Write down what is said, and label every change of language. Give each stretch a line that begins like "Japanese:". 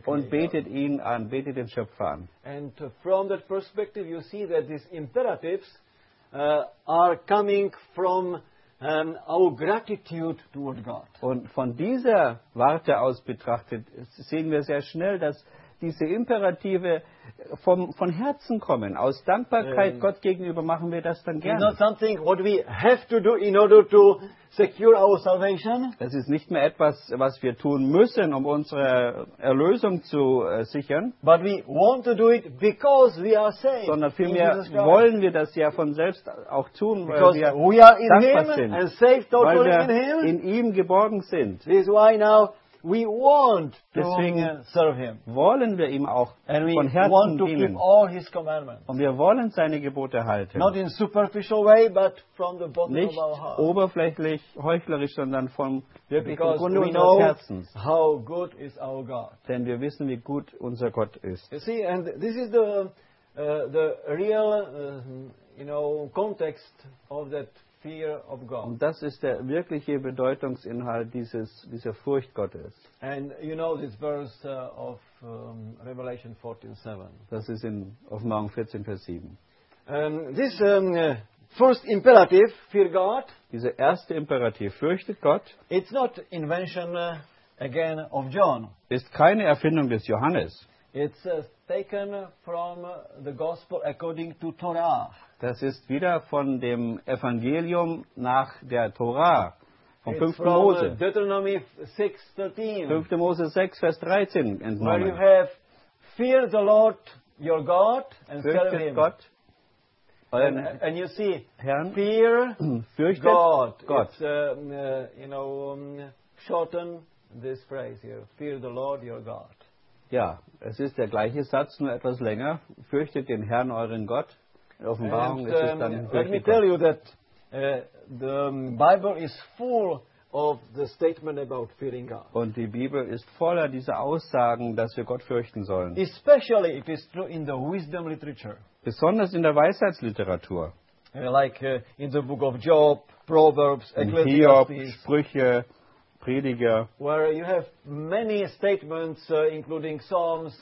German: Creator. Und betet ihn an, betet den Schöpfer an.
English: And from that perspective you see that these imperatives are coming from our gratitude toward God.
German: Und von dieser Warte aus betrachtet sehen wir sehr schnell, dass diese Imperative von Herzen kommen. Aus Dankbarkeit Gott gegenüber machen wir das dann gerne.
English: It's not something what we have to do in order to secure our salvation.
German: Das ist nicht mehr etwas, was wir tun müssen, um unsere Erlösung zu sichern.
English: But we want to do it because we are saved.
German: Sondern vielmehr wollen wir das ja von selbst auch tun,
English: because
German: weil wir
English: we are in
German: dankbar
English: him
German: sind.
English: And saved totally
German: weil wir
English: in, him.
German: In ihm geborgen sind.
English: This is why now we want
German: deswegen
English: to serve him.
German: Wollen wir ihm auch
English: and
German: von Herzen
English: want to
German: dienen.
English: Keep all his commandments.
German: Und wir wollen seine Gebote halten.
English: Not in superficial way, but from the bottom
German: nicht
English: of our heart.
German: Nicht oberflächlich, heuchlerisch, sondern vom
English: because
German: Grunde
English: we know
German: unseres Herzens.
English: How good is our God.
German: Denn wir wissen, wie gut unser Gott ist.
English: You see, and this is the real you know, context of that fear of God.
German: Und das ist der wirkliche Bedeutungsinhalt dieser Furcht Gottes.
English: And you know this verse of Revelation 14:7.
German: Das ist in Offenbarung 14, Vers 7.
English: This first imperative, fear God.
German: Dieser erste Imperativ, fürchtet Gott.
English: It's not invention again of John.
German: Ist keine Erfindung des Johannes.
English: It's taken from the gospel according to Torah.
German: Das ist wieder von dem Evangelium nach der Tora, vom 5. Mose.
English: Deuteronomy 6:13.
German: 5. Mose 6, Vers 13 entnommen.
English: Where you have fear the Lord your God and serve him.
German: Gott,
English: and you see,
German: Herrn,
English: fear
German: fürchtet
English: God.
German: Gott.
English: It's, you know, shorten this phrase here. Fear the Lord your God.
German: Ja, es ist der gleiche Satz, nur etwas länger. Fürchtet den Herrn, euren Gott. In Offenbarung
English: and,
German: ist es dann
English: let me tell you that the Bible is full of the statement about fearing God.
German: Und die Bibel ist voller dieser Aussagen, dass wir Gott fürchten sollen.
English: Especially it is true in the wisdom literature.
German: Besonders in der Weisheitsliteratur.
English: Like in the book of Job, Proverbs, Ecclesiastes.
German: In Hiob, Sprüche. Prediger,
English: where you have many statements, including Psalms,